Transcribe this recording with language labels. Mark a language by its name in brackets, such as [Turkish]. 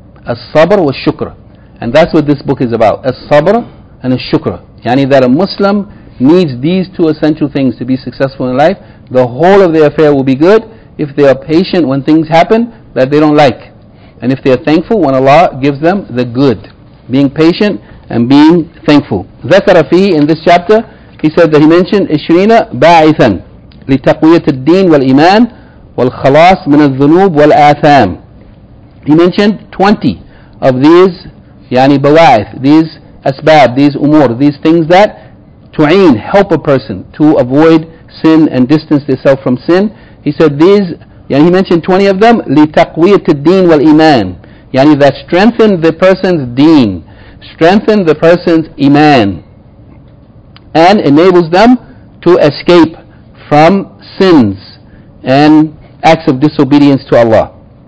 [English] As-sabr wa shukr. And that's what this book is about. As-sabr and as-shukr. Yani that a Muslim needs these two essential things to be successful in life. The whole of their affair will be good if they are patient when things happen that they don't like, and if they are thankful when Allah gives them the good, being patient and being thankful. [Arabic] ذكر فيه, [English] in this chapter, he said that he mentioned 20 [Arabic] باعثا لتقوية الدين والإيمان والخلاص من الذنوب والآثام. [English] He mentioned 20 of these, [Arabic] يعني بواعث, [English] these asbab, these umur, these things that تعين, help a person to avoid sin and distance themselves from sin. He said these, yani he mentioned 20 of them, [Arabic] لِتَقْوِيَةِ الدِّينِ وَالْإِمَانِ, [English] yani that strengthen the person's deen, strengthen the person's iman, and enables them to escape from sins and acts of disobedience to Allah.